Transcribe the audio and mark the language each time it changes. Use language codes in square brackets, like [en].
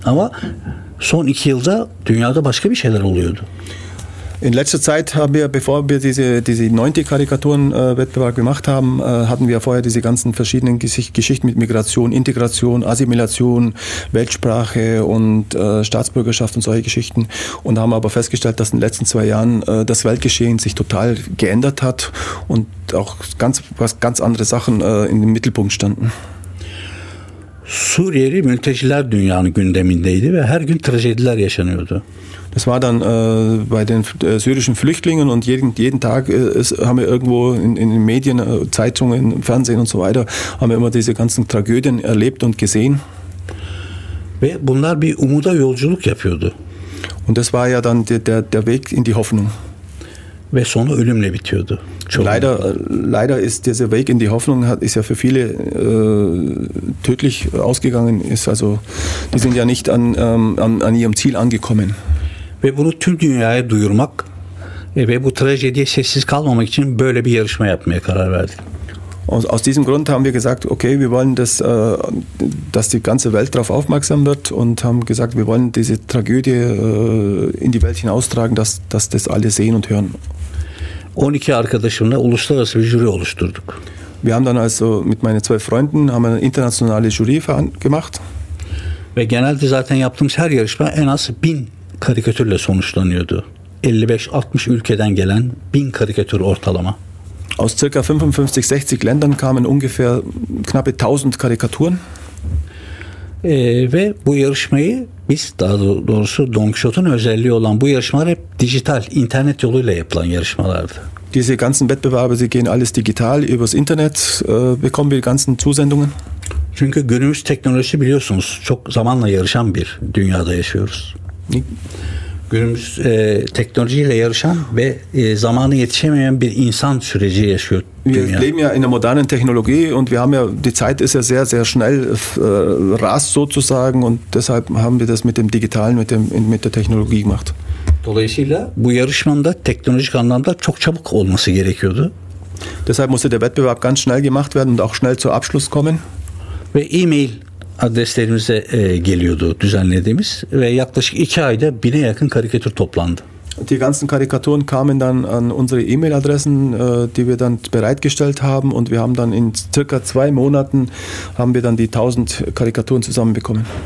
[tr] Ama son iki yılda dünyada başka bir şeyler oluyordu. [de] In letzter Zeit haben wir, bevor wir diese 9. Karikaturenwettbewerb gemacht haben, hatten wir vorher diese ganzen verschiedenen Geschichten mit Migration, Integration, Assimilation, Weltsprache und Staatsbürgerschaft und solche Geschichten. Und haben aber festgestellt, dass in den letzten zwei Jahren das Weltgeschehen sich total geändert hat und auch ganz andere Sachen in den Mittelpunkt standen. [tr] Suriyeli mülteciler dünyanın gündemindeydi ve her gün trajediler yaşanıyordu. [de] Das war dann bei den syrischen Flüchtlingen und jeden Tag haben wir irgendwo in den Medien, Zeitungen, Fernsehen und so weiter, haben wir immer diese ganzen Tragödien erlebt und gesehen. [tr] Ve bunlar bir umuda yolculuk yapıyordu. [de] Und das war ja dann der Weg in die Hoffnung. [tr] Ve sonu ölümle bitiyordu. [de] Leider ist dieser Weg in die Hoffnung ist ja für viele tödlich ausgegangen. Ist also, die sind ja nicht an ihrem Ziel angekommen. [tr] Ve bunu tüm dünyaya duyurmak ve bu trajediye sessiz kalmamak için böyle bir yarışma yapmaya karar verdik. [de] Aus diesem Grund haben wir gesagt, okay, wir wollen, dass die ganze Welt darauf aufmerksam wird und haben gesagt, wir wollen diese Tragödie in die Welt hinaustragen, dass das alle sehen und hören. [tr] 12 arkadaşımla uluslararası bir jüri oluşturduk. [de] Wir haben dann also mit meinen 12 Freunden haben eine internationale Jury gemacht. [tr] Ve genelde zaten yaptığımız her yarışma en az 1000 karikatürle sonuçlanıyordu. 55-60 ülkeden gelen 1000 karikatür ortalama. [de] Aus ca. 55-60 Ländern kamen ungefähr knappe 1000 Karikaturen. [tr] Ve bu yarışmayı biz daha doğrusu Don Quixote'un özelliği olan bu yarışmalar hep dijital, internet yoluyla yapılan yarışmalardı. [de] Diese ganzen Wettbewerbe, sie gehen alles digital übers Internet, bekommen wir die ganzen Zusendungen. [tr] Çünkü günümüz teknoloji biliyorsunuz çok zamanla yarışan bir dünyada yaşıyoruz. Günümüz teknolojiyle yarışan ve zamanı yetişemeyen bir insan süreci yaşıyor dünya. [de] Wir leben ja in einer modernen Technologie und wir haben ja, die Zeit ist ja sehr, sehr schnell rast sozusagen und deshalb haben wir das mit dem Digitalen, mit der Technologie gemacht. [tr] Dolayısıyla bu yarışmanın da teknolojik anlamda çok çabuk olması gerekiyordu. [de] Deshalb musste der Wettbewerb ganz schnell gemacht werden und auch schnell zu Abschluss kommen. [tr] Ve E-Mail adreslerimize geliyordu düzenlediğimiz ve yaklaşık 2 ayda 1000'e yakın karikatür toplandı. [de] Die ganzen Karikaturen kamen dann an unsere E-Mail-Adressen, die wir dann bereitgestellt haben und wir haben dann in circa 2 Monaten haben wir dann die 1000 Karikaturen zusammenbekommen.